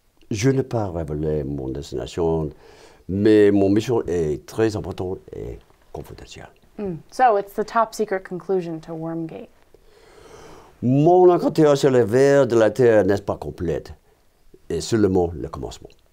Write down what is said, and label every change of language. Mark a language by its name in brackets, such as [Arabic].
[French] Je n'ai pas révélé mon destination, mais mon mission est très importante et confidentielle. [English] So it's the top secret conclusion to Wormgate. [French] Mon enquêteur sur les vers de la terre n'est pas complète, et seulement le commencement.